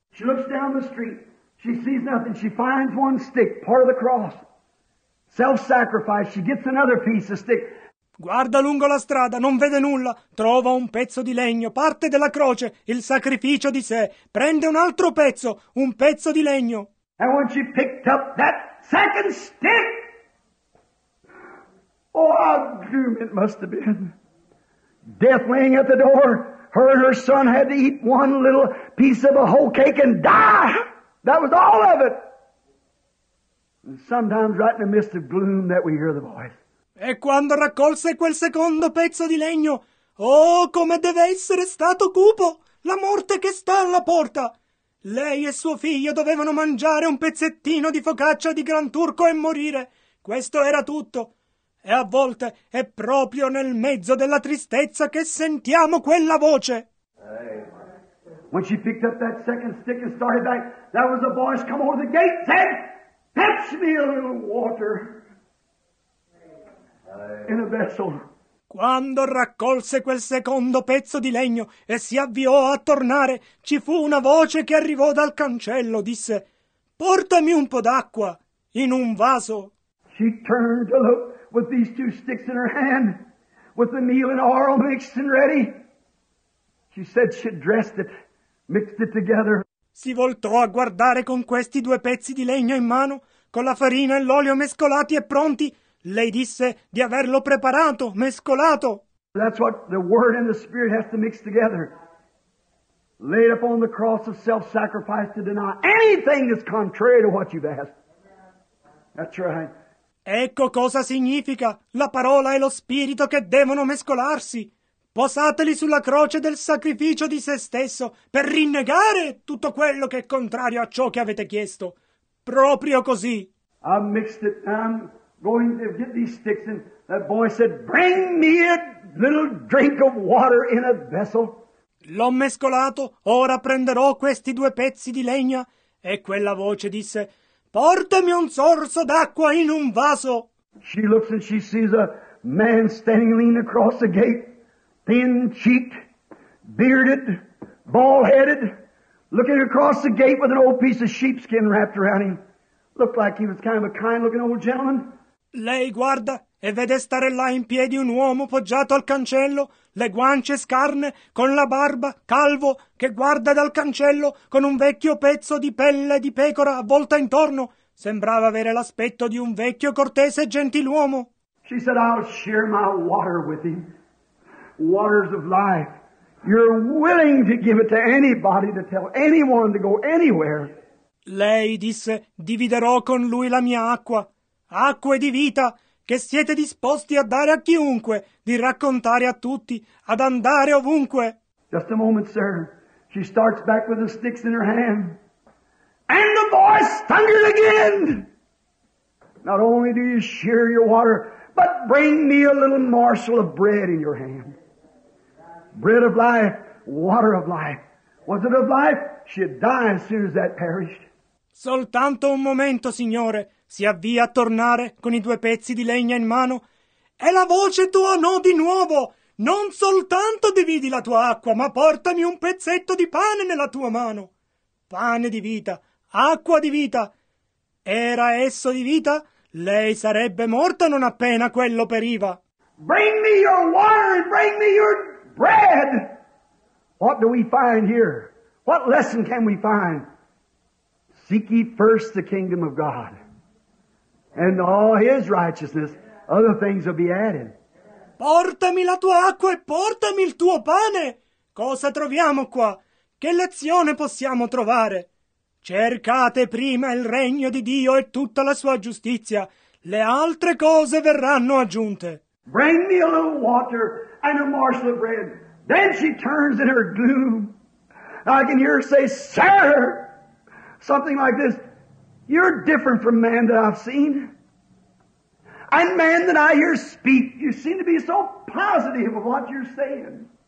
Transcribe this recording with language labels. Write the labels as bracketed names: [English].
[English] She looks down the street. She sees nothing. She finds one stick, part of the cross. Self-sacrifice. She gets another piece of stick. [Italian] Guarda lungo la strada, non vede nulla. Trova un pezzo di legno, parte della croce, il sacrificio di sé. Prende un altro pezzo, un pezzo di legno. [English] And when she picked up that second stick, oh, how doom it must have been. Death laying at the door, her and her son had to eat one little piece of a whole cake and die. That was all of it. And sometimes right in the midst of gloom that we hear the voice. [Italian] E quando raccolse quel secondo pezzo di legno, oh, come deve essere stato cupo, la morte che sta alla porta. Lei e suo figlio dovevano mangiare un pezzettino di focaccia di Gran Turco e morire. Questo era tutto. E a volte è proprio nel mezzo della tristezza che sentiamo quella voce. [English] When she picked up that second stick and started back, that was a voice come over the gate said, fetch me a little water in a vessel. [Italian] Quando raccolse quel secondo pezzo di legno e si avviò a tornare, ci fu una voce che arrivò dal cancello, disse, portami un po' d'acqua in un vaso. [English] She turned to look with these two sticks in her hand, with the meal and oil mixed and ready. She said she dressed it, mixed it together. [Italian] Si voltò a guardare con questi due pezzi di legno in mano, con la farina e l'olio mescolati e pronti. Lei disse di averlo preparato, mescolato. [English] That's what the word and the spirit has to mix together. Laid upon the cross of self-sacrifice to deny anything that's contrary to what you've asked. That's right. [Italian] Ecco cosa significa la parola e lo spirito che devono mescolarsi. Posateli sulla croce del sacrificio di se stesso per rinnegare tutto quello che è contrario a ciò che avete chiesto. Proprio così. [English] I mixed it down. Going to get these sticks, and that boy said, bring me a little drink of water in a vessel. [Italian] L'ho mescolato, ora prenderò questi due pezzi di legna. E quella voce disse, portami un sorso d'acqua in un vaso. [English] She looks and she sees a man standing lean across the gate, thin-cheeked, bearded, bald-headed, looking across the gate with an old piece of sheepskin wrapped around him. Looked like he was kind of a kind-looking old gentleman. [Italian] Lei guarda e vede stare là in piedi un uomo poggiato al cancello, le guance scarne, con la barba, calvo, che guarda dal cancello con un vecchio pezzo di pelle di pecora avvolta intorno. Sembrava avere l'aspetto di un vecchio cortese gentiluomo. [English] She said, I'll share my water with him. Waters of life. You're willing to give it to anybody to tell anyone to go anywhere. [Italian] Lei disse, dividerò con lui la mia acqua. Acque di vita che siete disposti a dare a chiunque, di raccontare a tutti, ad andare ovunque. [English] Just a moment, sir. She starts back with the sticks in her hand. And the voice thundered again. Not only do you share your water, but bring me a little morsel of bread in your hand. Bread of life, water of life. Was it of life? She'd die as soon as that perished. [Italian] Soltanto un momento, signore. Si avvia a tornare con i due pezzi di legna in mano. È la voce tua, no, di nuovo. Non soltanto dividi la tua acqua, ma portami un pezzetto di pane nella tua mano. Pane di vita, acqua di vita. Era esso di vita? Lei sarebbe morta non appena quello periva. [English] Bring me your water and bring me your bread. What do we find here? What lesson can we find? Seek ye first the kingdom of God and all His righteousness. Other things will be added. [Italian] Portami la tua acqua e portami il tuo pane. Cosa troviamo qua? Che lezione possiamo trovare? Cercate prima il regno di Dio e tutta la sua giustizia. Le altre cose verranno aggiunte. [English] Bring me a little water and a morsel of bread. Then she turns in her gloom. I can hear her say, Sir, something like this. You're different from man that I've seen. And man that I hear speak, you seem to be so positive of what you're saying.